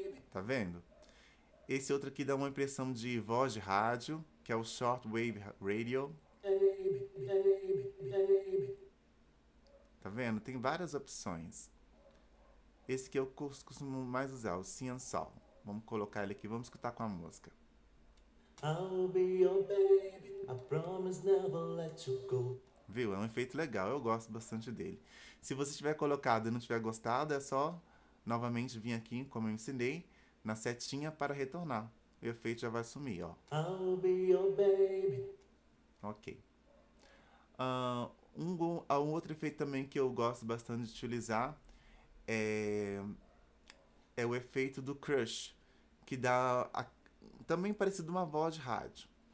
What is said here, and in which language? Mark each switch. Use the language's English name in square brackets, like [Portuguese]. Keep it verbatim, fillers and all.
[Portuguese] Tá vendo? Esse outro aqui dá uma impressão de voz de rádio, que é o Shortwave Ra- Radio. Tá vendo? Tem várias opções. Esse que eu cos- costumo mais usar, o See and Saw. Vamos colocar ele aqui, vamos escutar com a música. [English] I'll be your baby. I promise never let you go. [Portuguese] Viu? É um efeito legal, eu gosto bastante dele. Se você tiver colocado e não tiver gostado, é só novamente vir aqui, como eu ensinei, na setinha para retornar. O efeito já vai sumir, ó. [English] I'll be your baby. [Portuguese] Ok. Ah, um, go- ah, um outro efeito também que eu gosto bastante de utilizar é, é o efeito do crush, que dá a- também parecido uma voz de rádio.